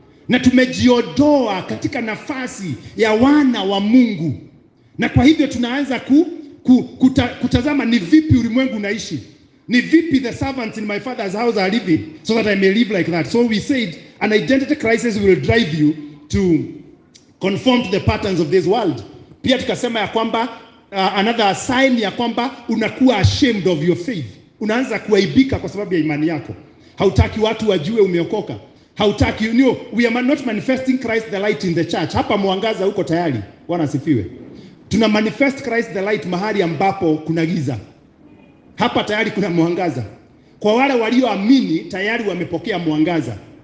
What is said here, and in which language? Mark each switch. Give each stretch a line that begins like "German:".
Swahili: Na tumejiodoa katika nafasi ya wana wa Mungu. Na kwa hivyo tunaanza kutazama ni vipi ulimwengu unaishi. Ni vipi
English: the servants in my father's house are living so that I may live like that. So we said an identity crisis will drive you to conform to the patterns of this world.
Swahili: Pia tukasema ya kwamba
English: another sign
Swahili: ya kwamba unakuwa
English: ashamed of your faith.
Swahili: Unaanza kuaibika kwa sababu ya imani yako. Hautaki watu wajue umeokoka. Hautaki,
English: you know, we are not manifesting Christ the light in the church.
Swahili: Hapa muangaza huko tayari. Bwana asifiwe. Tuna
English: manifest Christ the light
Swahili: mahali ambapo kuna giza. Hapa tayari kuna muangaza. Kwa wale walioamini tayari wamepokea muangaza.